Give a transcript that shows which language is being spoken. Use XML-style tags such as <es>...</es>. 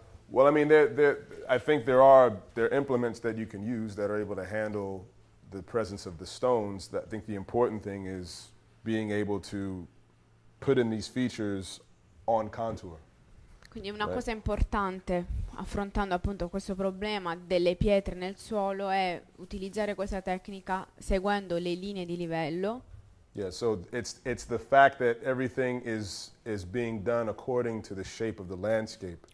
<en>Well, I mean, I think there are implements that you can use that are able to handle the presence of the stones. That I think the important thing is being able to put in these features on contour,</en> <it>Quindi una</it> <en>right?</en> <it>cosa importante affrontando appunto questo problema delle pietre nel suolo è utilizzare questa tecnica seguendo le linee di livello.</it> <en>Yeah, so it's the fact that everything is being done according to the shape of the landscape.</en>